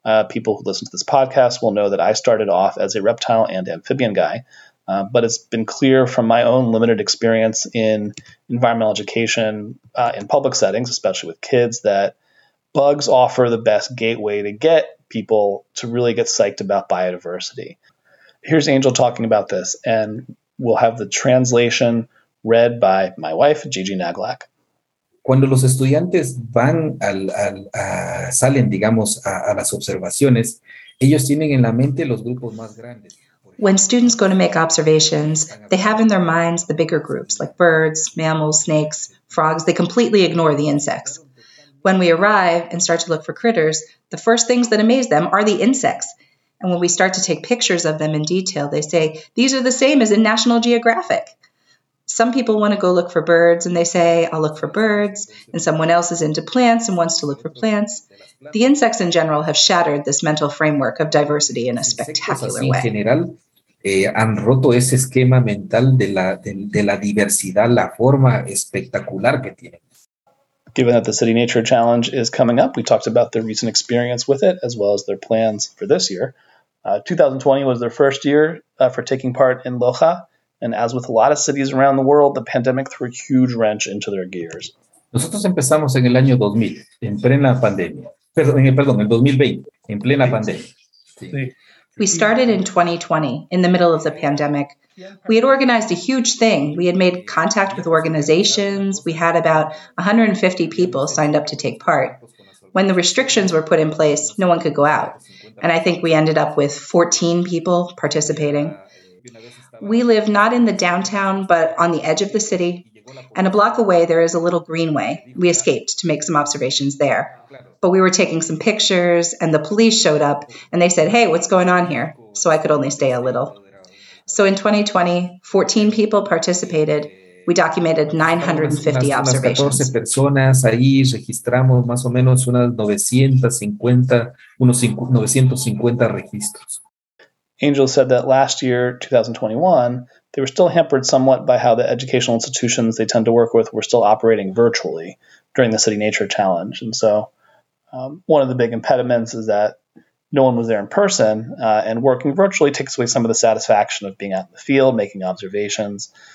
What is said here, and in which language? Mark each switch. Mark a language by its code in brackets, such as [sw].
[en] People who listen to this podcast will know that I started off as a reptile and amphibian guy, but it's been clear from my own limited experience in environmental education in public settings, especially with kids, that bugs offer the best gateway to get people to really get psyched about biodiversity. Here's Angel talking about this, and we'll have the translation read by my wife, Gigi Naglack. [es] Cuando los estudiantes van salen, digamos, a las observaciones, ellos tienen en la mente los grupos más grandes. [en] When students go to make observations, they have in their minds the bigger groups, like birds, mammals, snakes, frogs. They completely ignore the insects. When we arrive and start to look for critters, the first things that amaze them are the insects. And when we start to take pictures of them in detail, they say, these are the same as in National Geographic. Some people want to go look for birds, and they say, I'll look for birds. And someone else is into plants and wants to look for plants. The insects in general have shattered this mental framework of diversity in a spectacular way. [es] Han roto ese esquema mental de la diversidad, la forma espectacular que tiene. [en] Given that the City Nature Challenge is coming up, we talked about their recent experience with it, as well as their plans for this year. 2020 was their first year for taking part in Loja, and as with a lot of cities around the world, the pandemic threw a huge wrench into their gears. [es] Nosotros empezamos en el año 2000, en plena pandemia. Perdón, en 2020, en plena pandemia. Sí. [en] We started in 2020, in the middle of the pandemic. We had organized a huge thing. We had made contact with organizations. We had about 150 people signed up to take part. When the restrictions were put in place, no one could go out. And I think we ended up with 14 people participating. We live not in the downtown, but on the edge of the city. And a block away, there is a little greenway. We escaped to make some observations there. But we were taking some pictures, and the police showed up, and they said, hey, what's going on here? So I could only stay a little. So in 2020, 14 people participated. We documented 950 observations. 14 [es] personas ahí registramos más o menos unas 950 registros. [en] Angel said that last year, 2021, they were still hampered somewhat by how the educational institutions they tend to work with were still operating virtually during the City Nature Challenge. And so one of the big impediments is that no one was there in person, and working virtually takes away some of the satisfaction of being out in the field, making observations.